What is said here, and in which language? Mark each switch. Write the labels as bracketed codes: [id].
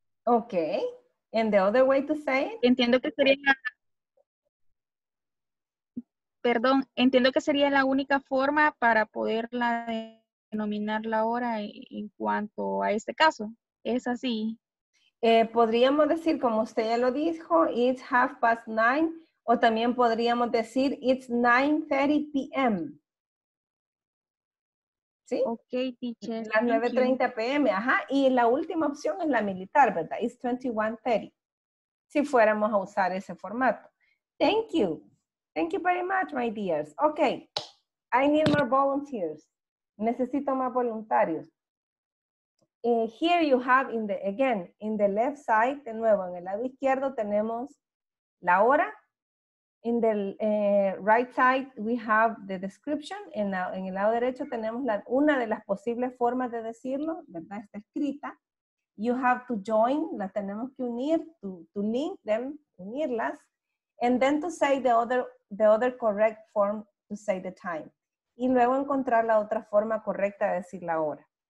[en] Okay, and the other way to say it? [es] Entiendo que sería, perdón, entiendo que sería la única forma para poderla denominar la hora en cuanto a este caso. Es así. Podríamos decir, como usted ya lo dijo, [en] it's 9:30, [es] o también podríamos decir [en] it's 9:30 p.m. [es] ¿Sí? [en] Ok, teacher. [es] Las 9:30 p.m. Ajá. Y la última opción es la militar, ¿verdad? [en] It's 21:30. [es] Si fuéramos a usar ese formato. [en] Thank you. Thank you very much, my dears. Ok. I need more volunteers. [es] Necesito más voluntarios. [en] Here you have, in the left side, [es] de nuevo, en el lado izquierdo tenemos la hora. [en] In the right side, we have the description. [es] En el lado derecho tenemos una de las posibles formas de decirlo, ¿verdad? Está escrita. [en] You have to join, [es] la tenemos que unir, [en] to link them, [es] unirlas. [en] And then to say the other correct form to say the time. [es] Y luego encontrar la otra forma correcta de decir la hora.